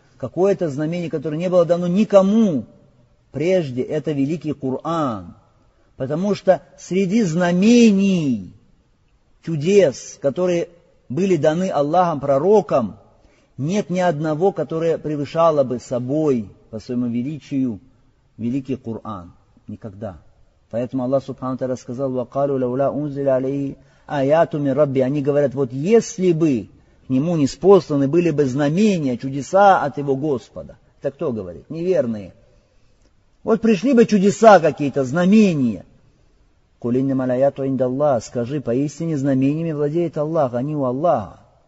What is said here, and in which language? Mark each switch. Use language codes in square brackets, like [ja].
[ru] Какое-то знамение, которое не было дано никому прежде, это великий Коран. Потому что среди знамений, чудес, которые были даны Аллахом, пророкам, нет ни одного, которое превышало бы собой по своему величию великий Коран. Никогда. Поэтому Аллах Субхану ва Тааля сказал, [ar] وَقَالُوا لَوْلَا أُنْزِلَ عَلَيْهِ آيَاتُ مِنْ رَبِّهِ. [ru] Они говорят, вот если бы к нему не спосланы были бы знамения, чудеса от его Господа. Это кто говорит? Неверные. Вот пришли бы чудеса какие-то, знамения. [ar] قُلْ إِنَّمَا الْآيَاتُ عِنْدَ اللَّهِ. [ru] Скажи, поистине знамениями владеет Аллах, они у Аллаха.